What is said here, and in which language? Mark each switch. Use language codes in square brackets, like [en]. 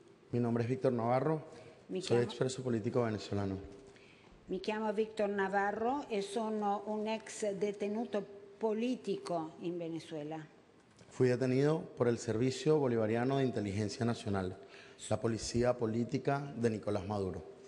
[es] Mi nombre es Victor Navarro. Soy expreso político venezolano. [it] Mi chiamo Victor Navarro e sono un ex detenuto politico in Venezuela. [es] Fui detenido por el Servicio Bolivariano de Inteligencia Nacional, la policía política de Nicolás Maduro.